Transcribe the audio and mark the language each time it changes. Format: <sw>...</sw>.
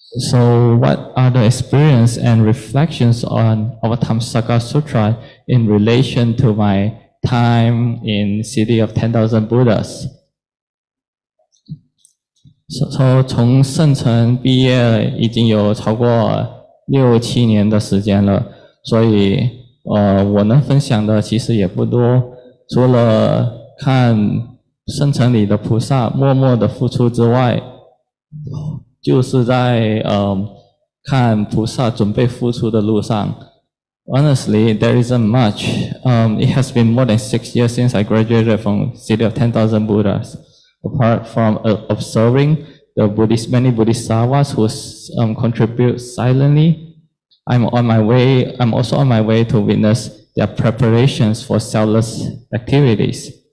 <en>So what are the experience and reflections on Avatamsaka Sutra in relation to my time in City of 10,000 Buddhas?</en> <zh>So 从圣城毕业已经有超过六七年的时间了，所以我能分享的其实也不多，除了看圣城里的菩萨默默的付出之外，就是在看菩萨准备付出的路上。</zh> <en>Honestly, there isn't much. It has been more than 6 years since I graduated from City of 10,000 Buddhas. Apart from observing the many Bodhisattvas who contribute silently, I'm also on my way to witness their preparations for selfless activities.</en>